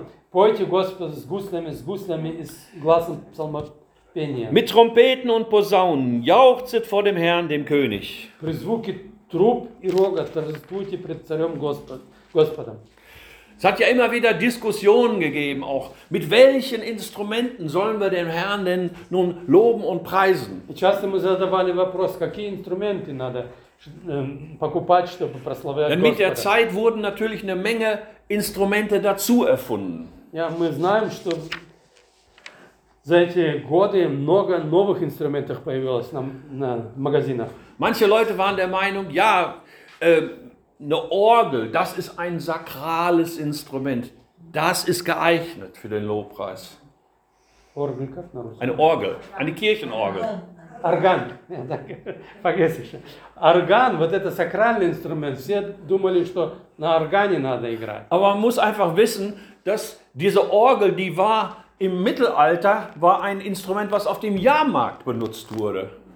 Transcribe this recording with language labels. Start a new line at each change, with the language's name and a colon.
Russian: Пойте Господу с гуслями и с гласом псалмопения.
German: Mit Trompeten und Posaunen, jauchzet vor dem Herrn, dem König.
Russian: При звуке труб и рога, торжествуйте пред царем Господом.
German: Es hat ja immer wieder Diskussionen gegeben, auch mit welchen Instrumenten sollen wir den Herrn denn nun loben und preisen?
Russian: Часто мы задавали вопрос, какие инструменты надо покупать, чтобы прославлять Господа.
German: Denn mit der Zeit wurden natürlich eine Menge Instrumente dazu erfunden.
Russian: Ja, мы знаем, что за эти годы много новых инструментов появилось на магазинах.
German: Manche Leute waren der Meinung, ja, eine Orgel, das ist ein sakrales Instrument. Das ist geeignet für den Lobpreis.
Russian: Orgel, как на русском?
German: Eine Orgel, eine Kirchenorgel. Орган. Vergiss es.
Russian: Орган, вот это сакральный инструмент. Все думали, что на органе надо играть.
German: Aber man muss einfach wissen, dass diese Orgel, die war im Mittelalter, war ein Instrument, was auf dem Jahrmarkt benutzt wurde.